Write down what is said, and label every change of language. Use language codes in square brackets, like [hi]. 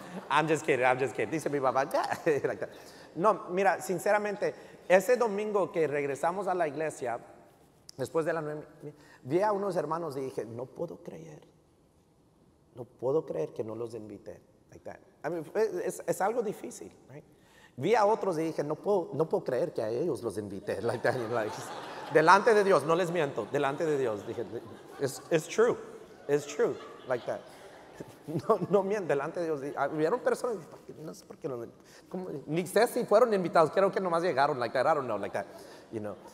[en] I'm just kidding, I'm just kidding. [es] Dice mi mamá, ya. [en] Like that. [es] No, mira, sinceramente, ese domingo que regresamos a la iglesia, después de la 9, vi a unos hermanos y dije, no puedo creer. No puedo creer que no los invité. [en] Like that. I mean, [es] es algo difícil, [en] right? [es] Vi a otros y dije, no puedo creer que a ellos los invité. Like that, like, delante de Dios, no les miento, delante de Dios. Dije, [en] it's true, like that. [es] No miento, delante de Dios. Vieron personas, no sé por qué, como, ni sé si fueron invitados, creo que nomás llegaron, [en] like that, I don't know, like that, you know.